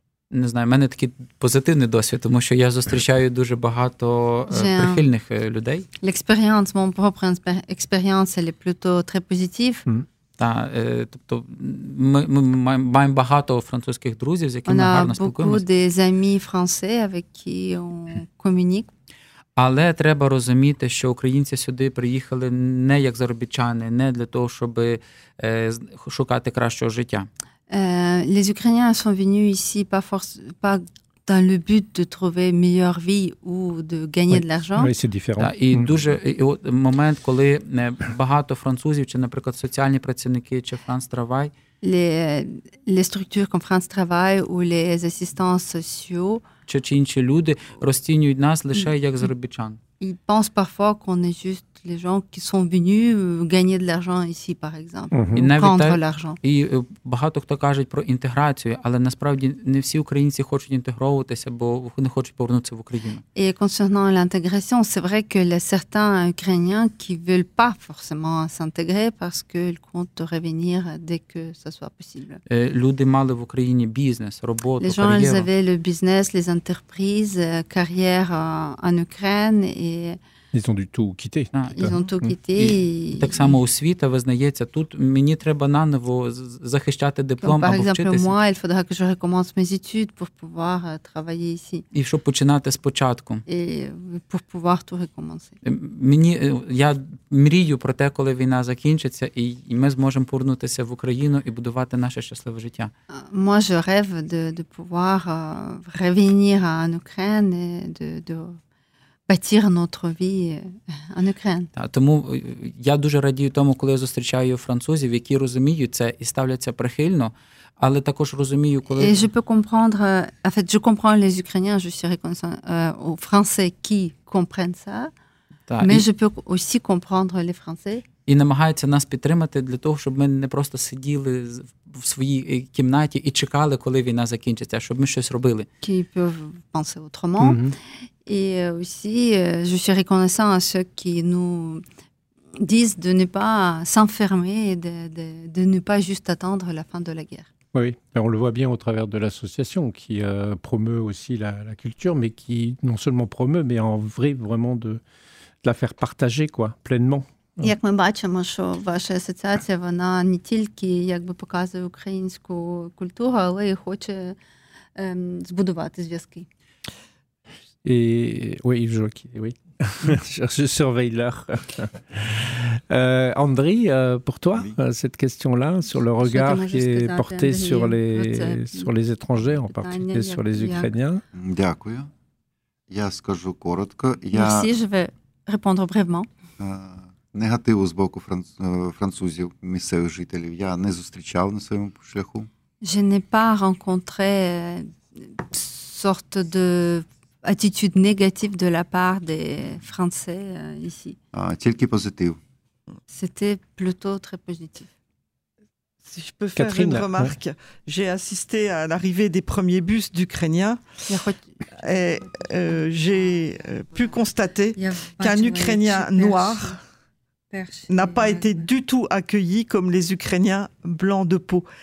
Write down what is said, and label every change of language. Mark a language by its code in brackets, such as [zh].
[uk] Не знаю, в мене такий позитивний досвід, тому що я зустрічаю дуже багато прихильних людей. [fr] L'expérience, mon propre expérience, elle est plutôt très positive. [uk] Так, тобто ми маємо багато французьких друзів, з якими гарно спілкуємося. [fr] Beaucoup des amis français avec qui on communique. [uk] Але треба розуміти, що українці сюди приїхали не як заробітчани, не для того, щоб шукати кращого життя. [fr] Les Ukrainiens sont venus ici pas dans le but de trouver une meilleure vie ou de gagner de l'argent. Oui, c'est différent. [uk] Да, і дуже і от момент, коли багато французів чи, наприклад, соціальні працівники чи France Travail, [fr] les structures comme France Travail ou les assistants sociaux, [uk] чи, чи інші люди розцінюють нас лише як заробітчан. [fr] Ils pensent parfois qu'on est juste les gens qui sont venus gagner de l'argent ici, par exemple, prendre l'argent. [uk] І багато хто кажуть про інтеграцію, але насправді не всі українці хочуть інтегровуватися, бо не хочуть повернутися в Україну. [fr] Et concernant l'intégration, c'est vrai que il y a certains Ukrainiens qui veulent pas forcément s'intégrer parce qu'ils comptent revenir dès que ça soit possible. [uk] Люди мали в Україні бізнес, роботу, кар'єру. [fr] Les gens, ils avaient le business, les entreprises, carrière en Ukraine. Ils ont du tout quitté. Ils ont tout quitté. [uk] Так само освіта визнається. Тут мені треба наново захищати диплом або вчитися. [fr] Par exemple, moi, il faudra que je recommence mes études pour pouvoir travailler ici. [uk] І щоб починати спочатку. [fr] Et pour pouvoir tout recommencer. [uk] Мені, я мрію про те, коли війна закінчиться, і ми зможемо повернутися в Україну і будувати наше щасливе життя. [fr] Moi, je rêve de pouvoir revenir en Ukraine et de bâtir notre vie en Ukraine. [uk] Так, тому я дуже радію тому, коли я зустрічаю французів, які розуміють це і ставляться прихильно, але також розумію, коли [fr] Et je peux comprendre en fait, je comprends les Ukrainiens, je suis reconnaissant aux Français qui comprennent ça. [uk] Так, [fr] mais je peux aussi comprendre les Français. [uk] І намагаються нас підтримати для того, щоб ми не просто сиділи в своїй кімнаті і чекали, коли війна закінчиться, а щоб ми щось робили. [fr] Qui peuvent penser autrement. Et aussi, je suis reconnaissant à ceux qui nous disent de ne pas s'enfermer, de ne pas juste attendre la fin de la guerre. Oui, on le voit bien au travers de l'association qui promeut aussi la culture, mais qui non seulement promeut, mais en vrai, vraiment de la faire partager quoi, pleinement. [uk] Як ми бачимо, що ваша асоціація, вона не тільки якби показує українську культуру, але й хоче збудувати зв'язки. [fr] Et oui, oui. Je surveille l'heure. Andri, pour toi, oui. Cette question-là sur le regard qui est porté sur les étrangers, en particulier sur les Ukrainiens. [uk] Дякую. Я скажу коротко. Я [fr] Merci, je vais répondre brièvement. [uk] Негативу з боку французів, місцевих жителів, я не зустрічав на своєму шляху. [fr] Je n'ai pas rencontré sorte de attitude négative de la part des Français ici. [uk] Тільки позитив. [fr] C'était plutôt très positif. Si je peux faire Catherine, une remarque, ouais. J'ai assisté à l'arrivée des premiers bus d'Ukrainiens et j'ai pu constater qu'un Ukrainien noir n'a pas été du tout accueilli comme les Ukrainiens blancs de peau.